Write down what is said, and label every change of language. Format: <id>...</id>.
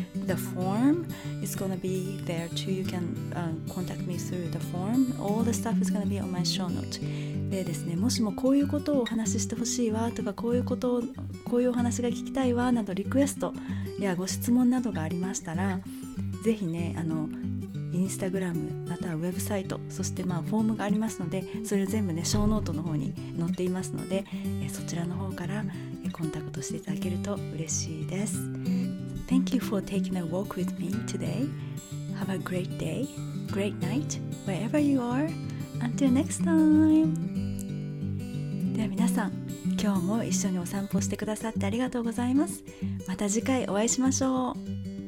<en>The form is going to be there too. You can contact me through the form. All the stuff is going to be on my show note.</en> <ja>でですね、もしもこういうことをお話ししてほしいわとか、こういうことを、こういうお話が聞きたいわなど、リクエストやご質問などがありましたら、ぜひね、あの、インスタグラム、またはウェブサイト、そしてまあフォームがありますので、それを全部ね、ショーノートの方に載っていますので、そちらの方からコンタクトしていただけると嬉しいです。</ja> <en>Thank you for taking a walk with me today. Have a great day, great night, wherever you are. Until next time.</en> <ja>では皆さん、今日も一緒にお散歩してくださってありがとうございます。また次回お会いしましょう。</ja>